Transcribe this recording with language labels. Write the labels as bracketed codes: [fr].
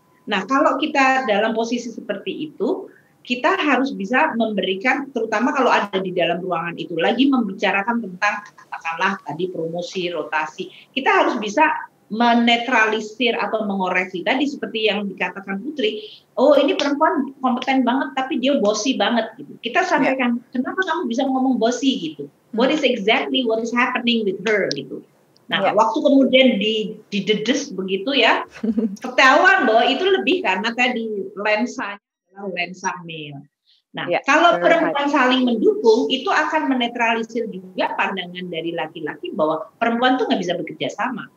[id] Nah kalau kita dalam posisi seperti itu, kita harus bisa memberikan, terutama kalau ada di dalam ruangan itu lagi membicarakan tentang katakanlah tadi promosi, rotasi, kita harus bisa menetralisir atau mengoreksi tadi seperti yang dikatakan Putri, oh ini perempuan kompeten banget tapi dia bossy banget gitu. Kita sampaikan, kenapa kamu bisa ngomong bossy gitu? [en] What is exactly what is happening with her [id] gitu. Nah, waktu kemudian didedes begitu ya, ketahuan bahwa itu lebih karena tadi lensanya adalah lensa male. Nah, kalau perempuan saling mendukung, itu akan menetralisir juga pandangan dari laki-laki bahwa perempuan tuh gak bisa bekerja sama.